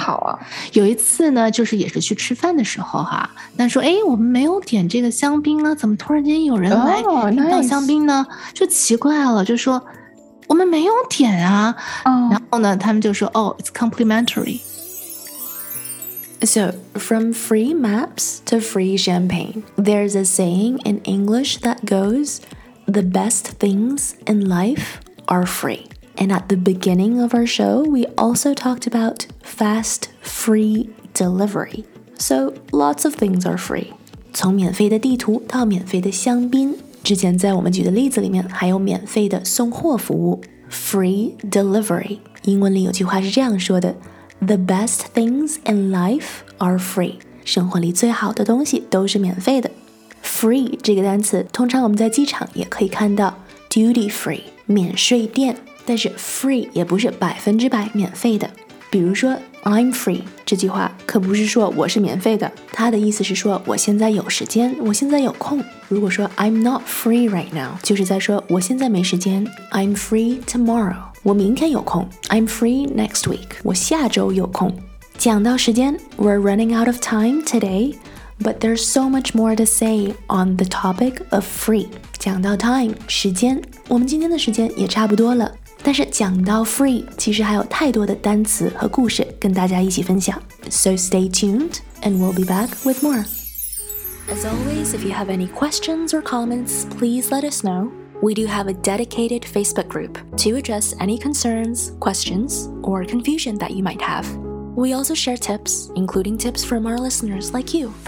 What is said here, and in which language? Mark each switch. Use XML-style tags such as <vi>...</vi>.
<zh>好啊，有一次呢，就是也是去吃饭的时候哈，但说哎，我们没有点这个香槟啊，怎么突然间有人来倒香槟呢？</zh> <en>Oh, nice.</en> <zh>就奇怪了，就说。我们没有点啊，然后呢他们就说哦</zh> <en>it's complimentary。 So from free maps to free champagne, there's a saying in English that goes, the best things in life are free. And at the beginning of our show, we also talked about fast free delivery. So lots of things are free.</en> <zh>从免费的地图到免费的香槟，之前在我们举的例子里面还有免费的送货服务 free delivery。英文里有句话是这样说的，</zh> <en>the best things in life are free，</en> <zh>生活里最好的东西都是免费的。 free 这个单词通常我们在机场也可以看到 duty free 免税店，但是 free 也不是百分之百免费的。比如说</zh> <en>I'm free</en> <zh>这句话可不是说我是免费的，它的意思是说我现在有时间，我现在有空。如果说</zh> <en>I'm not free right now，</en> <zh>就是在说我现在没时间，</zh> <en>I'm free tomorrow，</en> <zh>我明天有空，</zh> <en>I'm free next week，</en> <zh>我下周有空。讲到时间，</zh> <en>We're running out of time today， But there's so much more to say on the topic of free。</en> <zh>讲到 time 时间，我们今天的时间也差不多了，但是讲到 free， 其实还有太多的单词和故事跟大家一起分享。</zh> <en>So stay tuned, and we'll be back with more. As always, if you have any questions or comments, please let us know. We do have a dedicated Facebook group to address any concerns, questions, or confusion that you might have. We also share tips, including tips from our listeners like you.</en>